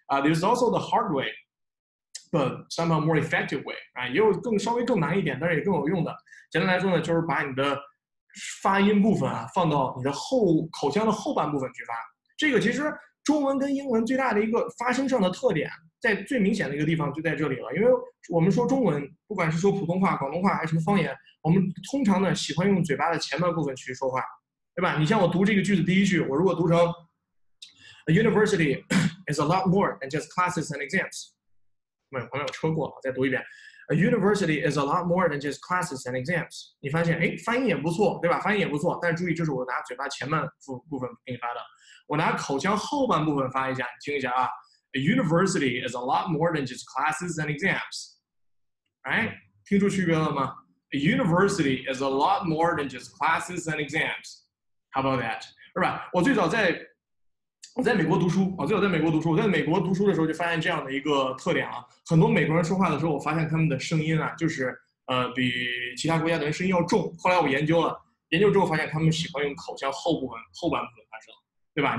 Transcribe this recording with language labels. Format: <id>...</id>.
<en>There's also the hard way，but somehow more effective way。</en> <zh>也有稍微更难一点，但是也更有用的。简单来说呢，就是把你的发音部分放到你的口腔的后半部分去发。这个其实中文跟英文最大的一个发声上的特点，在最明显的一个地方就在这里了。因为我们说中文，不管是说普通话、广东话还是什么方言，我们通常呢喜欢用嘴巴的前半部分去说话，对吧？你像我读这个句子第一句，我如果读成</zh> <en>"University is a lot more than just classes and exams"，</en> <zh>没有旁边有车过，我再读一遍。</zh> <en>A university is a lot more than just classes and exams。</en> <zh>你发现，哎，发音也不错，对吧？发音也不错。但是注意，这是我拿嘴巴前半部分给你发的，我拿口腔后半部分发一下，你听一下啊。</zh> <en>A university is a lot more than just classes and exams。</en> <zh>哎，听出区别了吗？</zh> <en>A university is a lot more than just classes and exams。 How about that？</en> <zh>是吧？我在美国读书，我最早在美国读书。我在美国读书的时候就发现这样的一个特点很多美国人说话的时候，我发现他们的声音就是比其他国家的人声音要重。后来我研究了，研究之后发现他们喜欢用口腔后半部分发声，对吧？</zh>